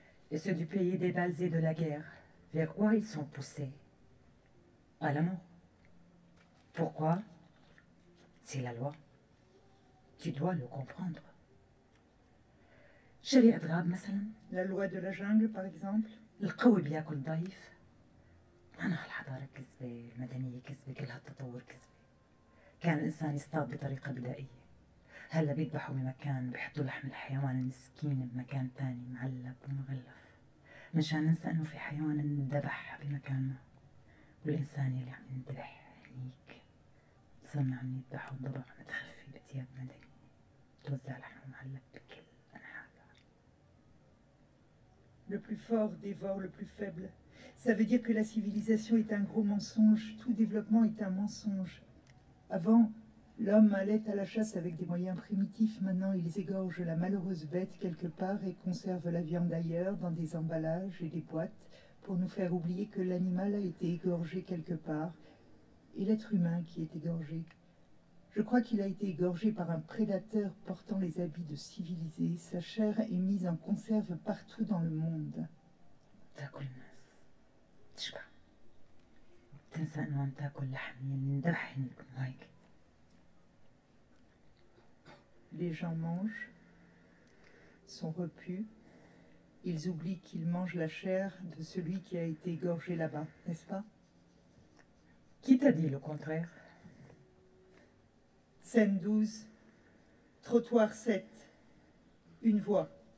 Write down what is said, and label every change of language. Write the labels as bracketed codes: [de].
[fr] Et ceux du pays des balles et de la guerre, vers quoi ils sont poussés? À la mort. Pourquoi? C'est la loi. Tu dois le comprendre. [ar] Sharia Drab, Massalam. [fr] La loi de la jungle, par exemple. Le Kawibia Kuntaïf. [ar] أنا هالحضارة كذبة، المدنية كذبة، كل هالتطور كذبة. كان الإنسان يصطاد بطريقة بدائية، هلا بيذبحوا بمكان، بيحطوا لحم الحيوان المسكين بمكان تاني معلب ومغلف، مشان ننسى إنه في حيوان انذبح بمكان ما، والإنسان يلي عم ينذبح هنيك صرنا عم نذبح ونضبح ونتخفي بتياب مدنية توزع لحم معلب بكل أنحاء العالم. [fr] Le plus fort dévore le plus faible. Ça veut dire que la civilisation est un gros mensonge, tout développement est un mensonge. Avant, l'homme allait à la chasse avec des moyens primitifs, maintenant ils égorgent la malheureuse bête quelque part et conservent la viande ailleurs, dans des emballages et des boîtes, pour nous faire oublier que l'animal a été égorgé quelque part, et l'être humain qui est égorgé. Je crois qu'il a été égorgé par un prédateur portant les habits de civilisé, sa chair est mise en conserve partout dans le monde. [ar] تشبع، تنسى انه عم تاكل لحم يلي انذبح هنيك مو هيك؟ [fr] Les gens mangent, sont repus, ils oublient qu'ils mangent la chair de celui qui a été égorgé là-bas, n'est-ce pas? Qui t'a dit le contraire? Scène 12, trottoir 7, une voix.